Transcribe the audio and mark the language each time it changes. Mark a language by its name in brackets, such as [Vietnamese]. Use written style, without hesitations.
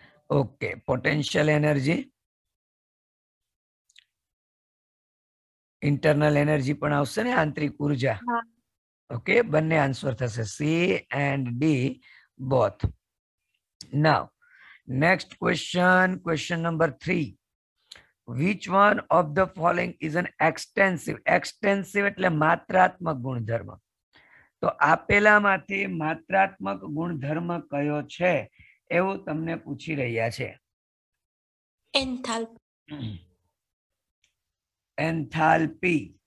[Gujarati] Okay potential energy internal energy પણ આવશે ને આંતરિક ઉર્જા ઓકે બંને આન્સર થશે C and D both [English] Now, next question, question number 3. Which one of the following is an extensive? [Gujarati] Extensive એટલે માત્રાત્મક ગુણધર્મ. તો આપેલામાંથી માત્રાત્મક ગુણધર્મ કયો છે? એવું તમને પૂછી રહ્યા છે. [English] Enthalpy. Enthalpy.